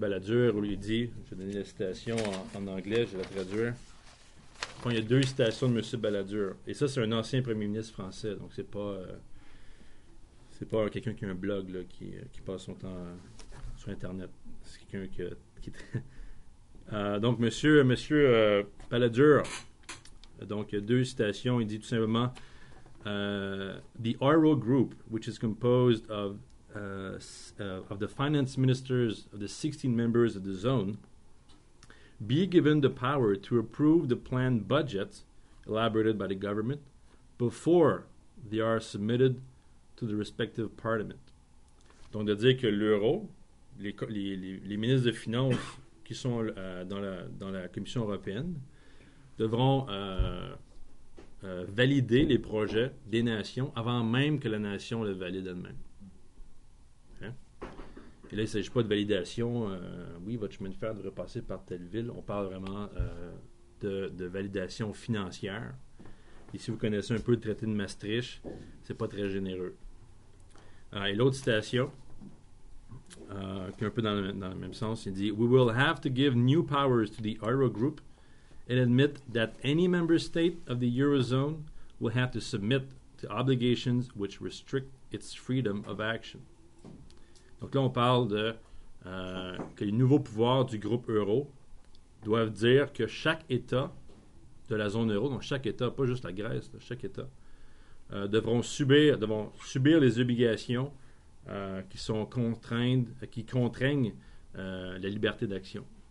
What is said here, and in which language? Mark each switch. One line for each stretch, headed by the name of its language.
French: Balladur où il dit, je vais donner la citation en anglais, je vais la traduire. Bon, il y a deux citations de M. Balladur et ça, c'est un ancien premier ministre français, donc c'est pas quelqu'un qui a un blog là, qui passe son temps sur Internet. C'est quelqu'un qui donc M. Balladur, donc il y a deux citations, il dit tout simplement
English: the Euro group, which is composed of the finance ministers of the 16 members of the zone, be given the power to approve the planned budget elaborated by the government before they are submitted to the respective parliament.
French: Donc, de dire que l'euro, les ministres de finances qui sont dans la Commission européenne, devront valider les projets des nations avant même que la nation le valide elle-même. Hein? Et là, il ne s'agit pas de validation. Votre chemin de fer devrait passer par telle ville. On parle vraiment de validation financière. Et si vous connaissez un peu le traité de Maastricht, c'est pas très généreux. Et l'autre citation, qui est un peu dans le même sens, il dit «
English: We will have to give new powers to the Euro group it admit that any member state of the Eurozone will have to submit to obligations which restrict its freedom of action.
French: Donc là, on parle de que les nouveaux pouvoirs du groupe euro doivent dire que chaque État de la zone euro, donc chaque État, pas juste la Grèce, là, chaque État, devront subir les obligations qui sont contraintes, qui contraignent la liberté d'action.